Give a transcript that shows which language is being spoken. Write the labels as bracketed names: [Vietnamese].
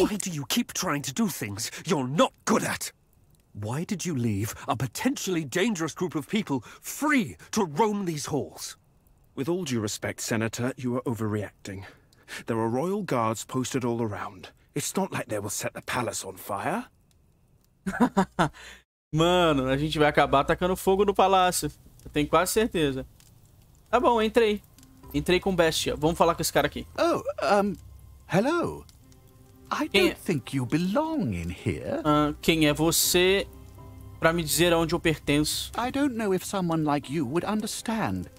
[English] Why do you keep trying to do things you're not good at? Why did you leave a potentially dangerous group of people free to roam these halls? With all due respect, Senator, you are overreacting. There are royal guards posted all around. It's not like they will set the palace on fire. [Portuguese] Mano, a gente vai acabar atacando fogo no palácio. Eu tenho quase certeza. Tá bom, entrei. Entrei com Bestia. Vamos falar com esse cara aqui. [English] Oh, hello. I don't think you belong in here. [Portuguese] Quem é você para me dizer aonde eu pertenço? [English] I don't know if someone like you would understand.